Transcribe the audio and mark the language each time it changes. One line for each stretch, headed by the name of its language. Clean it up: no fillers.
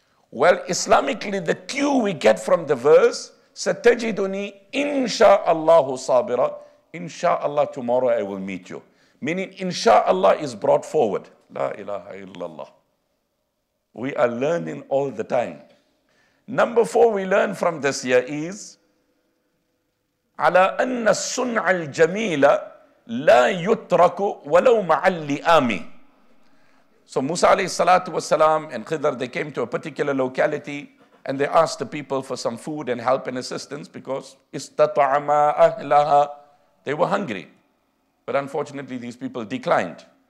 English: Well, Islamically, the cue we get from the verse,
Arabic: Satajiduni insha'Allahu sabira,
English: insha'Allah, tomorrow I will meet you. Meaning, insha'Allah is brought forward. La ilaha illallah. We are learning all the time. Number four we learn from this year is,
Arabic: عَلَىٰ أَنَّ السُّنْعَ الْجَمِيلَ لَا يُتْرَكُ وَلَوْ مَعَ الْلِئَامِ.
English: So Musa alayhi salatu wasalam and Khidr, they came to a particular locality and they asked the people for some food and help and assistance because
Arabic: إِسْتَطَعَمَا أَهْلَهَا.
English: They were hungry. But unfortunately, these people declined.